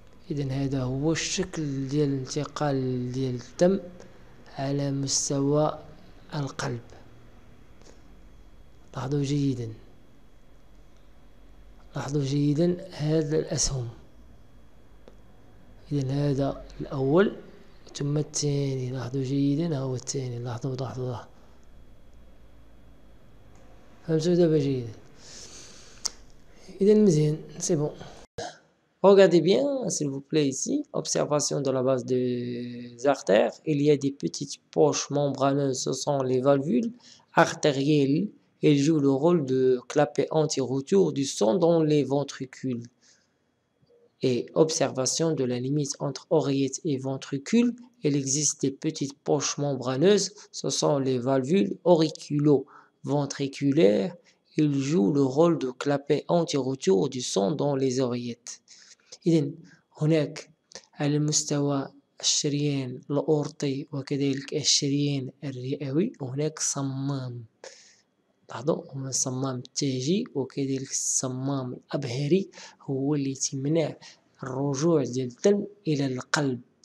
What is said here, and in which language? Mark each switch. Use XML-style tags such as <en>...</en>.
<ar>إذن هذا هو الشكل ديال الانتقال ديال الدم على مستوى القلب، لاحظوا جيدا، لاحظوا جيدا هذا الأسهم. إذن هذا الأول ثم الثاني، لاحظوا جيدا هو الثاني، لاحظوا لاحظوا فهمتوا دابا جيدا. إذن مزيان</ar> <fr>سي بون. Regardez bien, s'il vous plaît, ici, observation de la base des artères. Il y a des petites poches membraneuses, ce sont les valvules artérielles. Elles jouent le rôle de clapet anti-retour du sang dans les ventricules. Et observation de la limite entre oreillette et ventricule. Il existe des petites poches membraneuses, ce sont les valvules auriculo-ventriculaires. Elles jouent le rôle de clapet anti-retour du sang dans les oreillettes.</fr> <ar>إذن هناك على مستوى الشريان الأورطي وكذلك الشريان الرئوي، وهناك صمام، لاحظوا هما الصمام التاجي وكذلك الصمام الأبهري، هو اللي تمنع الرجوع ديال الدم إلى القلب.</ar>